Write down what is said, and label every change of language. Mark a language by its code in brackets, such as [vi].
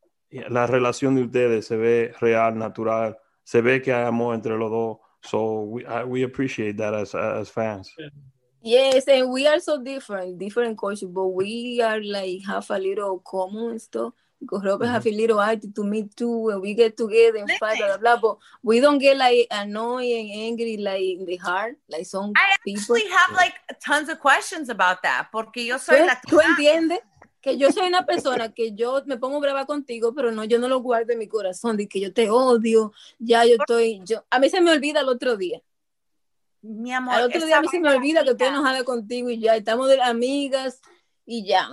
[es] La relación de ustedes se ve real, natural. Se ve que hay amor entre los dos. [en] So we appreciate that as fans. Yes, and we are so different cultures, but we are like half a little common stuff. Because Robert mm-hmm. has a little attitude to me too, and we get together and fight, blah, blah, blah. But we don't get like annoying and angry, like in the heart, like some people. I actually have like tons of questions about that. [es] Porque yo soy la tú entiendes que yo soy una persona que yo me pongo brava contigo, pero no, yo no lo guardo en mi corazón. De que yo te odio, ya yo estoy. Yo, a mí se me olvida el otro día. Mi amor, al otro día a mí se me olvida que estoy enojada contigo y ya estamos de amigas y ya.